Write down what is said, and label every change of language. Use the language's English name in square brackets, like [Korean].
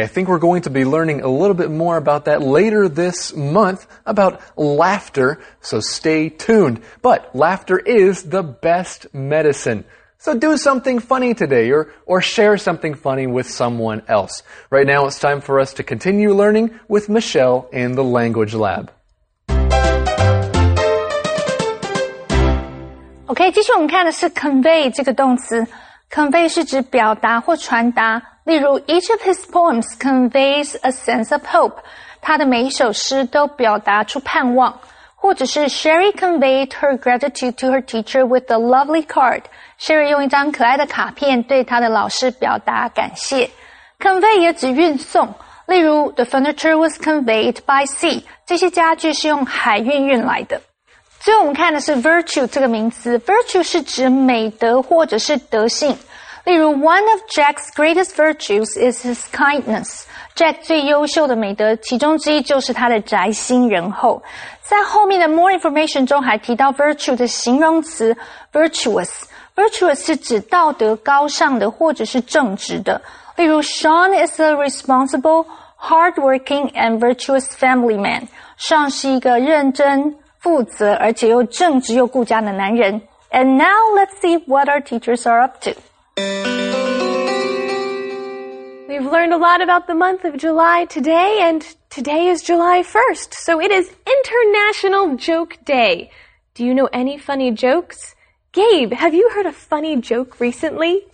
[English] I think we're going to be learning a little bit more about that later this month, about laughter, so stay tuned. But laughter is the best medicine. So do something funny today or share something funny with someone else. Right now, it's time for us to continue learning with Michelle in the Language Lab. [Chinese] Okay, 接下来我们看的是 convey 这个动词。Convey 是指表达或传达。例如 [English] ,each of his poems conveys a sense of hope. [Chinese] 他的每一首诗都表达出盼望。或者是 [English] Sherry conveyed her gratitude to her teacher with a lovely card. [Chinese] Sherry 用一张可爱的卡片对她的老师表达感谢。 [English] Convey [Chinese] 也指运送，例如 [English] The furniture was conveyed by sea. [Chinese] 这些家具是用海运运来的。最后我们看的是 virtue 这个名词。 Virtue 是指美德或者是德性。例如 [English] One of Jack's greatest virtues is his kindness. [Chinese] Jack 最优秀的美德其中之一就是他的宅心仁厚。在后面的 [English] more information [Chinese] 中还提到 virtue 的形容词 virtuous。 Virtuous 是指道德高尚的或者是正直的。例如 [English] Sean is a responsible, hardworking and virtuous family man. [Chinese] Sean 是一个认真、负责而且又正直又顾家的男人。 [English] And now let's see what our teachers are up to. We've learned a lot about the month of July today, and today is July 1st, so it is International Joke Day. Do you know any funny jokes? Gabe, have you heard a funny joke recently?